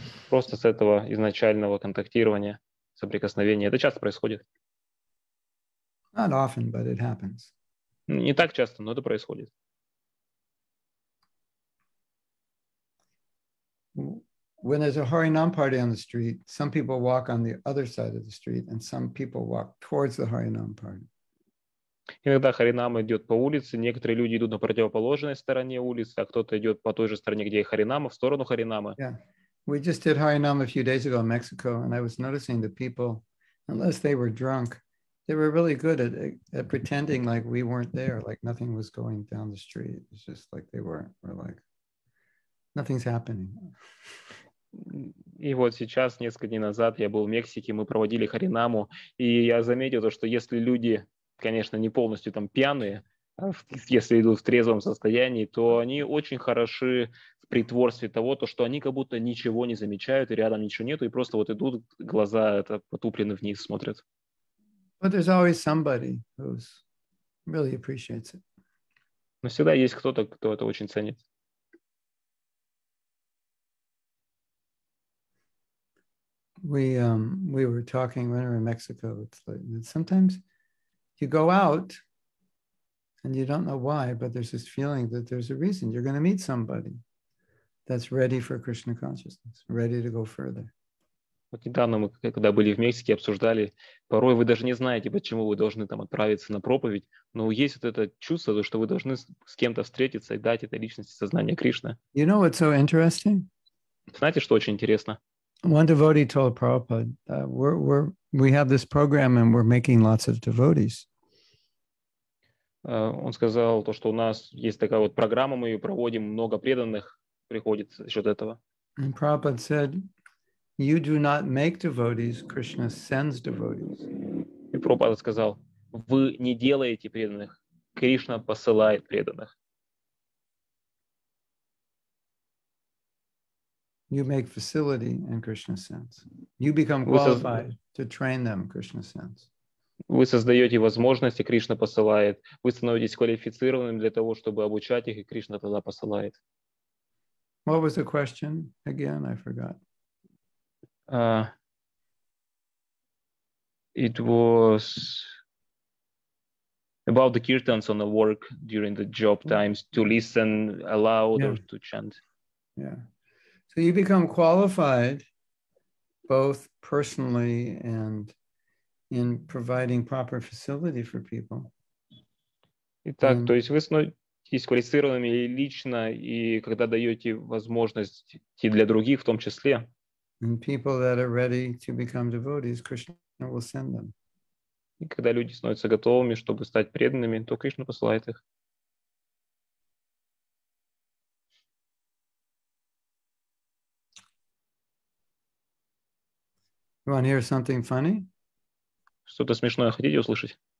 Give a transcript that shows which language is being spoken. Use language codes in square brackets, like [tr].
[ru] Просто с этого изначального контактирования, соприкосновения. Это часто происходит. [en] Not often, but it happens. [ru] Не так часто, но это происходит. [en] When there's a Harinam party on the street, some people walk on the other side of the street and some people walk towards the Harinam party. [ru] Иногда Харинам идет по улице, некоторые люди идут на противоположной стороне улицы, а кто-то идет по той же стороне, где и Харинама, в сторону Харинама. [en] Yeah. We just did Harinam a few days ago in Mexico, and I was noticing the people, unless they were drunk, they were really good at pretending like we weren't there, like nothing was going down the street. It's just like they were like, nothing's happening. [ru] И вот сейчас, несколько дней назад, я был в Мексике, мы проводили Харинаму, и я заметил то, что если люди, конечно, не полностью там пьяные, если идут в трезвом состоянии, то они очень хороши в притворстве того, то, что они как будто ничего не замечают, и рядом ничего нету, и просто вот идут, глаза это потуплены вниз, смотрят. [en] But there's always somebody who's really appreciates it. [ru] Но всегда есть кто-то, кто это очень ценит. [en] We were talking when we were in Mexico. It's like sometimes you go out and you don't know why, but there's this feeling that there's a reason. You're going to meet somebody that's ready for Krishna consciousness, ready to go further. [ru] Вот недавно мы, когда были в Мексике, обсуждали, порой вы даже не знаете, почему вы должны там отправиться на проповедь, но есть вот это чувство, что вы должны с кем-то встретиться и дать этой личности сознание Кришны. [en] You know what's so interesting? [ru] Знаете, что очень интересно? [en] One devotee told Prabhupada, we have this program and we're making lots of devotees. [ru] Он сказал то, что у нас есть такая вот программа, мы ее проводим, много преданных приходит за счет этого. [en] And Prabhupada said, you do not make devotees, Krishna sends devotees. [ru] И Прабхупада сказал, вы не делаете преданных, Кришна посылает преданных. [en] You make facility and Krishna sends. You become qualified to train them, Krishna sends. [ru] Вы создаете возможности, Кришна посылает. Вы становитесь квалифицированным для того, чтобы обучать их, и Кришна тогда посылает. [en] What was the question? Again, I forgot. It was about the kirtans on the work during the job times, to listen aloud or to chant. Yeah. So you become qualified both personally and in providing proper facility for people. [ru] Итак, то есть вы становитесь квалифицированными лично, и когда даете возможности для других, в том числе. [en] And people that are ready to become devotees, Krishna will send them. [ru] И когда люди становятся готовыми, чтобы стать преданными, то Кришна посылает их. [en] You want to hear something funny? [ru] Что-то смешное хотите услышать?